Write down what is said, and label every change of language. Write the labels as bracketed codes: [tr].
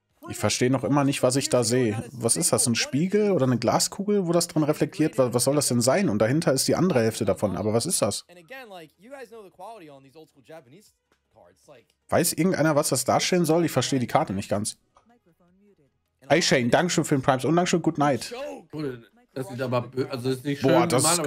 [de] Ich verstehe noch immer nicht, was ich da sehe. Was ist das? Ein Spiegel oder eine Glaskugel, wo das drin reflektiert? Was soll das denn sein? Und dahinter ist die andere Hälfte davon. Aber was ist das? [en] And again, like, you guys know the quality on these old school Japanese. [de] Weiß irgendeiner, was das darstellen soll? Ich verstehe die Karte nicht ganz. Hey Shane, dankeschön für den Primes und dankeschön, [en] good night. [de] Das sieht aber also ist nicht schön, boah, das ist geil.